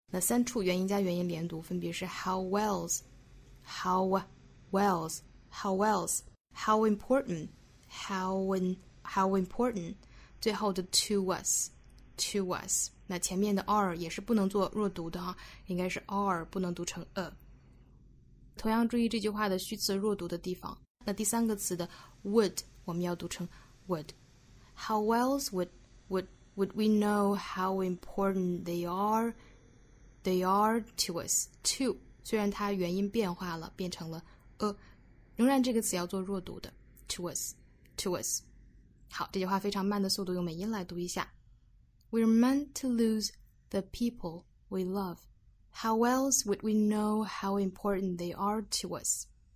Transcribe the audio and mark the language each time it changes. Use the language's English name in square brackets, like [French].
[Chinese] 那三处元音加元音连读分别是 how important, 最后的 to us, 那前面的 are 也是不能做弱读的，应该是 are 不能读成 a。 同样注意这句话的虚词弱读的地方。那第三个词的 would 我们要读成 would。 [English] How else would we know how important they are to us too。 [Chinese] 虽然它元音变化了，变成了仍然这个词要做弱读的 to us。好，这句话非常慢的速度用美音来读一下。 [English] We're meant to lose the people we love. How else would we know how important they are to us?